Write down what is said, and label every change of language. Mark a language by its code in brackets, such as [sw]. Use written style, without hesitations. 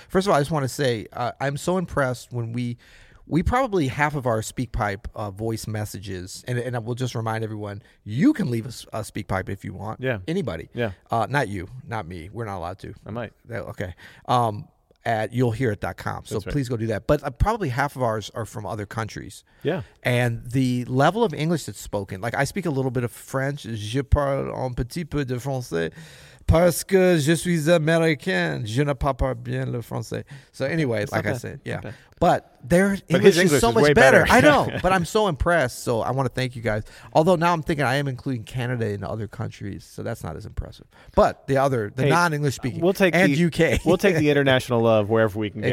[en] First of all, I just want to say I'm so impressed when we probably half of our SpeakPipe voice messages, and I will just remind everyone, you can leave us a SpeakPipe if you want. Yeah. Anybody. Yeah. Not you. Not me. We're not allowed to. I might. Okay. At youllhearit.com. So right. Please go do that. But probably half of ours are from other countries. Yeah. And the level of English that's spoken, like I speak a little bit of French. [fr] Je parle un petit peu de français parce que je suis américain. Je ne parle pas bien le français. [en] So anyway, But their English is so much better. I know. But I'm so impressed. So I want to thank you guys. Although now I'm thinking I am including Canada and other countries. So that's not as impressive. But the non-English speaking. We'll take the UK. We'll take the international love wherever we can get